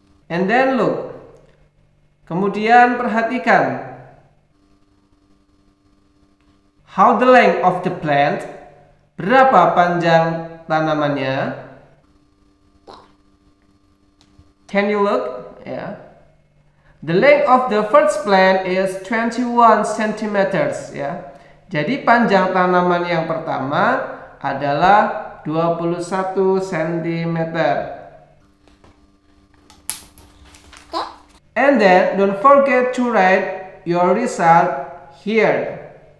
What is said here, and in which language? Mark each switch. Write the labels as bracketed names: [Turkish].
[English] And then look. [Indonesian] Kemudian perhatikan. [English] How the length of the plant? [Indonesian] Berapa panjang tanamannya? [English] Can you look? Yeah. The length of the first plant is 21 cm, ya. Yeah. [Indonesian] Jadi panjang tanaman yang pertama adalah 21 cm. [English] And then don't forget to write your result here.